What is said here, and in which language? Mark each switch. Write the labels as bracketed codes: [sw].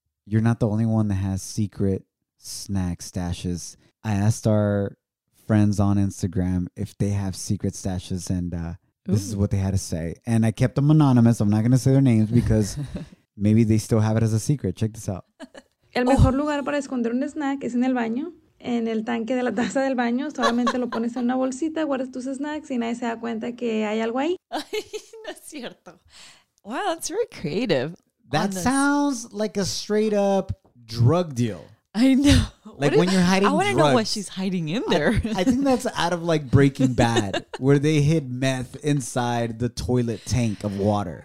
[en] you're not the only one that has secret snack stashes. I asked our friends on Instagram if they have secret stashes, and this is what they had to say. And I kept them anonymous. I'm not going to say their names because maybe they still have it as a secret. Check this out. [es] El mejor lugar para esconder un snack es en el baño. En el tanque de la taza del baño, solamente lo pones en una bolsita, guardas tus snacks y nadie se da cuenta que hay algo ahí. No es cierto. [en] Wow, that's very creative. That sounds like a straight up drug deal. I know. Like when you're hiding drugs. I want to know what she's hiding in there. I think that's out of like Breaking Bad, where they hid meth inside the toilet tank of water.